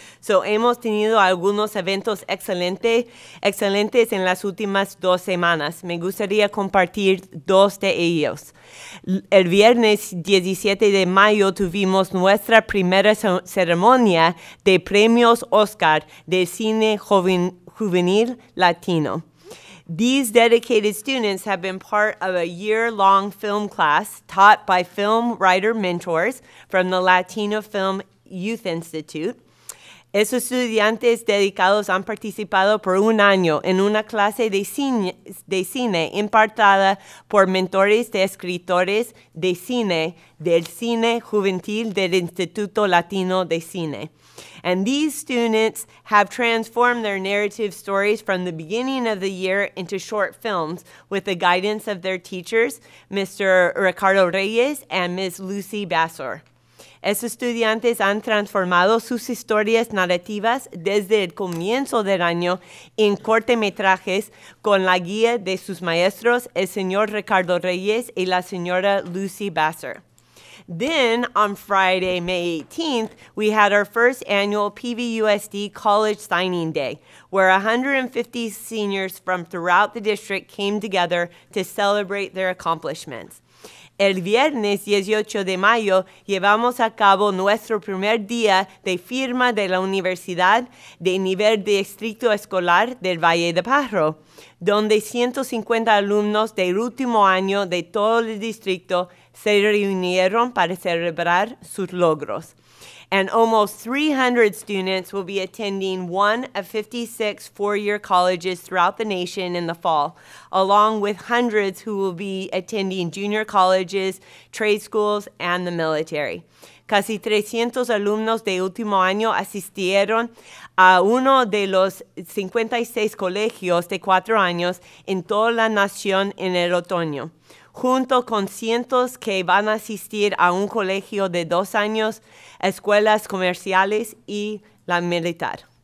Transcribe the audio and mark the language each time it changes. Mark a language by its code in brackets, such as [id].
[es] So hemos tenido algunos eventos excelentes en las últimas dos semanas. Me gustaría compartir dos de ellos. El viernes 17 de mayo tuvimos nuestra primera ceremonia de premios Oscar de cine juvenil latino. [en] These dedicated students have been part of a year-long film class taught by film writer mentors from the Latino Film Youth Institute. [es] Esos estudiantes dedicados han participado por un año en una clase de cine impartida por mentores de escritores de cine del cine juvenil del Instituto Latino de Cine. [en] And these students have transformed their narrative stories from the beginning of the year into short films with the guidance of their teachers, Mr. Ricardo Reyes and Ms. Lucy Bassor. [es] Esos estudiantes han transformado sus historias narrativas desde el comienzo del año en cortometrajes con la guía de sus maestros, el señor Ricardo Reyes y la señora Lucy Bassor. [en] Then, on Friday, May 18th, we had our first annual PVUSD College Signing Day, where 150 seniors from throughout the district came together to celebrate their accomplishments. [es] El viernes 18 de mayo, llevamos a cabo nuestro primer día de firma de la Universidad de Nivel de Distrito Escolar del Valle de Pajaro, donde 150 alumnos del último año de todo el distrito se reunieron para celebrar sus logros. [en] And almost 300 students will be attending one of 56 four-year colleges throughout the nation in the fall, along with hundreds who will be attending junior colleges, trade schools, and the military. [es] Casi 300 alumnos de último año asistieron a uno de los 56 colegios de 4 años en toda la nación en el otoño, junto con cientos que van a asistir a un colegio de 2 años, escuelas comerciales y la militar.